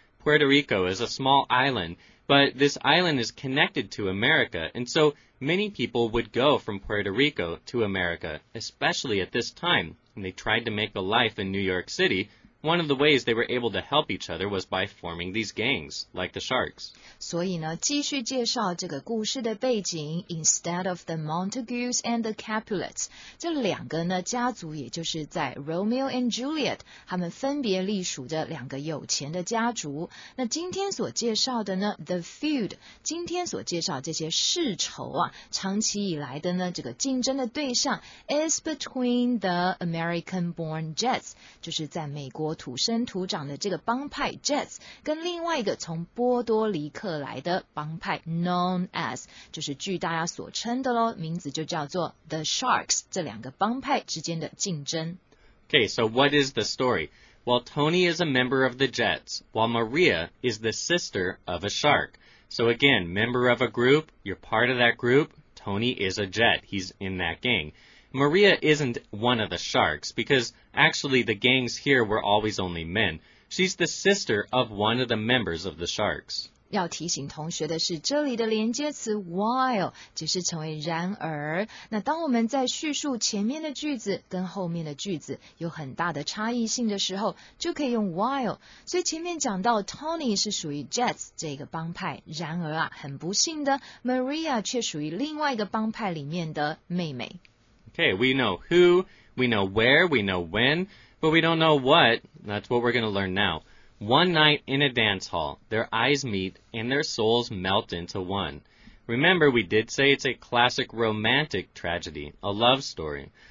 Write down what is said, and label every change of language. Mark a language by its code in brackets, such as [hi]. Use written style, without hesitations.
[en] Puerto Rico is a small island, but this island is connected to America, and so many people would go from Puerto Rico to America, especially at this time. And they tried to make a life in New York City. One of the ways they were able to help each other was by forming these gangs, like the Sharks. [zh] 所以呢，继续介绍这个故事的背景。 [en] Instead of the Montagues and the Capulets, [zh] 这两个呢家族，也就是在 Romeo and Juliet, 他们分别隶属着两个有钱的家族。那今天所介绍的呢 ， [en] the feud, [zh] 今天所介绍这些世仇啊，长期以来的呢这个竞争的对象 [en] is between the American-born Jets, [zh] 就是在美国土生土长的这个帮派 Jets 跟另外一个从波多黎克来的帮派 [en] Known As [zh] 就是据大家所称的咯名字就叫做 The Sharks 这两个帮派之间的竞争 [en] Okay, so what is the story? Well, Tony is a member of the Jets, while Maria is the sister of a shark. So again, member of a group, you're part of that group. Tony is a Jet. He's in that gang. Maria isn't one of the sharks, because actually the gangs here were always only men. She's the sister of one of the members of the sharks. [zh] 要提醒同学的是这里的连接词 while 解释成为然而那当我们在叙述前面的句子跟后面的句子有很大的差异性的时候就可以用 while 所以前面讲到 Tony 是属于 Jets 这个帮派然而啊很不幸的 Maria 却属于另外一个帮派里面的妹妹 [en] Okay, we know who, we know where, we know when but we don't know what, that's what we're going to learn nowOne night in a dance hall, their eyes meet and their souls melt into one. Remember, we did say it's a classic romantic tragedy, a love story.